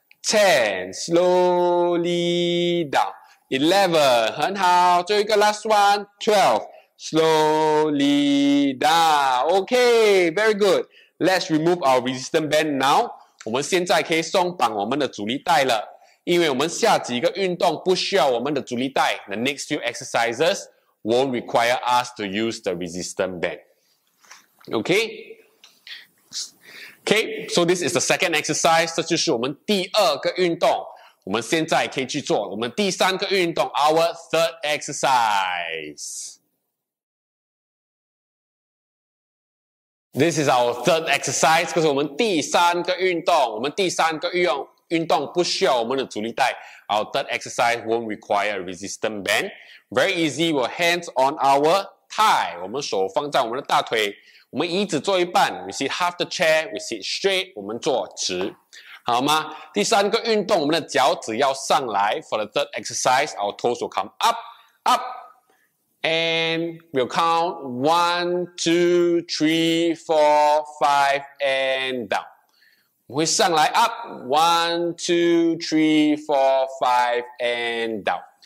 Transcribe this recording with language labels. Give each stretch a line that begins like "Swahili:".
English: 10, slowly down. 11,
Chinese: 很好。最后一个
English: last one, 12, slowly down. Okay, very good. Let's remove our resistance band now.
Chinese: 我们现在可以松绑我们的阻力带了，因为我们下几个运动不需要我们的阻力带。
English: The next few exercises won't require us to use the resistance band. Okay? Okay, so this is the second exercise.
Chinese: 这就是我们第二个运动。我们现在可以去做我们第三个运动 ,
English: our third exercise. This is our third exercise.
Chinese: 这是我们第三个运动。我们第三个运动不需要我们的阻力带。
English: Our third exercise won't require a resistance band. Very easy, we'll hands on our thigh.
Chinese: 我们手放在我们的大腿。我们椅子坐一半 ，
English: we sit half the chair，we sit straight，
Chinese: 我们坐直，好吗？第三个运动，我们的脚趾要上来。
English: For the third exercise， our toes will come up， up， and we'll count 1, 2, 3, 4, 5 and down。
Chinese: 我会上来 up， 1, 2, 3, 4, 5
English: and down。